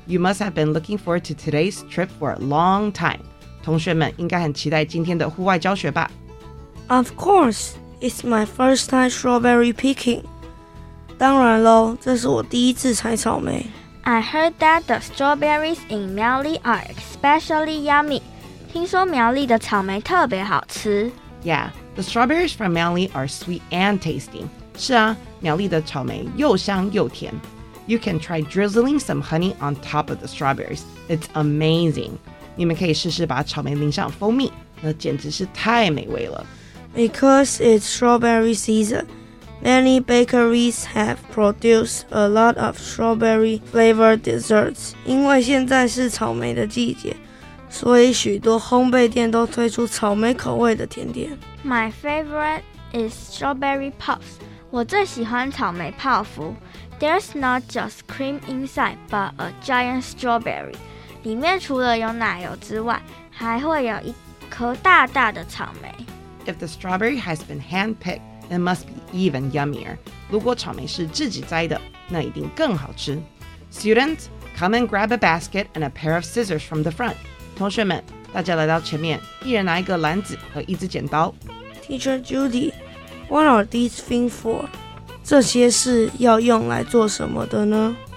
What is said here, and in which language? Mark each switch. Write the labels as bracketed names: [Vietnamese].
[English] You must have been looking forward to today's trip for a long time. [Chinese] 同学们应该很期待今天的户外教学吧。 [English] Of course, it's my first time strawberry picking. [Chinese] 当然喽，这是我第一次採草莓。 [English] I heard that the strawberries in Miaoli are especially yummy. [Chinese] 听说苗栗的草莓特别好吃。 [English] Yeah, the strawberries from Miaoli are sweet and tasty. [Chinese] 是啊，苗栗的草莓又香又甜。 [English] You can try drizzling some honey on top of the strawberries. It's amazing. [Chinese] 你们可以试试把草莓淋上蜂蜜，那简直是太美味了。 [English] Because it's strawberry season, many bakeries have produced a lot of strawberry flavored desserts. [Chinese] 因为现在是草莓的季节。所以许多烘焙店都推出草莓口味的甜点。 [English] My favorite is strawberry puffs. [Chinese] 我最喜欢草莓泡芙。 [English] There's not just cream inside, but a giant strawberry. [Chinese] 里面除了有奶油之外，还会有一颗大大的草莓。 [English] If the strawberry has been hand-picked, it must be even yummier. [Chinese] 如果草莓是自己摘的，那一定更好吃。 [English] Students, come and grab a basket and a pair of scissors from the front. [Chinese] 同学们，大家来到前面，一人拿一个篮子和一支剪刀。 [English] Teacher Judy, what are these things for? [Chinese] 这些是要用来做什么的呢？